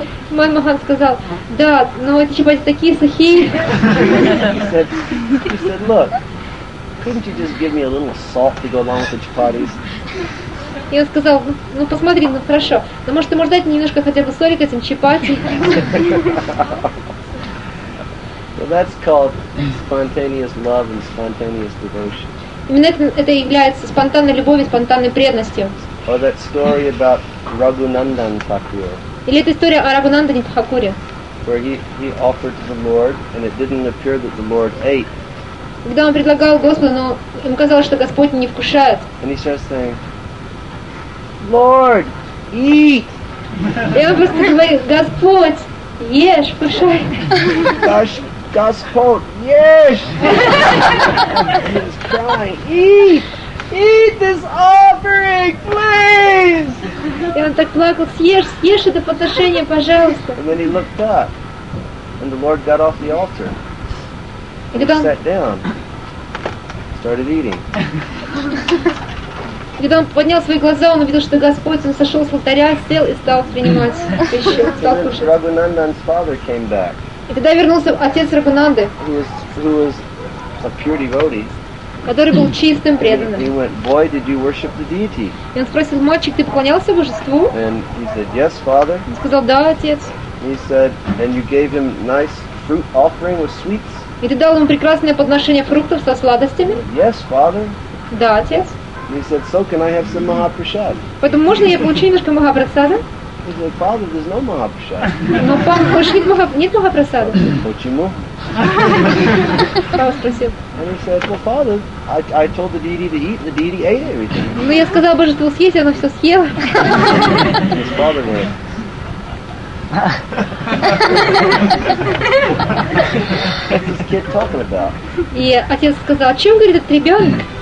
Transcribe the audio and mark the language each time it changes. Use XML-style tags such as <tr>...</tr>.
<ru>Мадан Мохан сказал: "Да, но эти чапати такие сухие."</ru> <en>He said, "Look, couldn't you just give me a little salt to go along with the chapatis?"</en> <ru>И он сказал: "Ну посмотри, ну хорошо, но может ты можешь дать мне немножко хотя бы соли к этим чапати?"</ru> <en>Well, that's called spontaneous love and spontaneous devotion.</en> <ru>Именно это является спонтанной любовью, спонтанной преданностью.</ru> <en>Or that story about Raghunandan Thakur.</en> <ru>Или это история о Рагунандане Тхакуре.</ru> <en>Where he offered to the Lord, and it didn't appear that the Lord ate.</en> <ru>когда он предлагал Господу, но ему казалось, что Господь не вкушает.</ru> <en>And he starts saying, Lord, eat.</en> <ru>И он просто говорит, Господь, ешь, вкушай. Господь, ешь.</ru> <en>He's crying, eat this offering, please.</en> <ru>И он так плакал, съешь это подношение, пожалуйста.</ru> <en>And then he looked up, and the Lord got off the altar.</en> <ru>И когда он</ru> <en>sat down, started eating.</en> <ru>Когда он поднял свои глаза, он увидел, что Господь, он сошел с алтаря, сел и стал принимать пищу, стал кушать.</ru> <en>Рагунандан's father came back.</en> <ru>И когда вернулся отец Рагунанды,</ru> <en>who was a pure devotee,</en> <ru>который был чистым преданным,</ru> <en>he went, boy, did you worship the deity?</en> <ru>И он спросил, мальчик, ты поклонялся божеству?</ru> <en>And he said, yes, father.</en> <ru>Он сказал, да, отец.</ru> <en>He said, and you gave him nice fruit offering with sweets.</en> <ru>И ты дал ему прекрасное подношение фруктов со сладостями?</ru> <en>Yes, father.</en> <ru>Да, отец.</ru> <en>He said, so can I have some Mahaprasad?</en> <ru>Потом можно я получу немножко Махапрасада?</ru> <en>He said, father, there's no Mahaprasad.</en> <ru>Но пан, хочешь ли нет Махапрасада? Почему? Папа спросил.</ru> <en>And he said, well, father, I told the deity to eat, and the deity ate everything.</en> <ru>Ну я сказал божеству съесть, оно все съело.</ru> <en>His father went. What's this kid talking about?</en> <ru>И отец сказал, о чем говорит этот ребенок?</ru>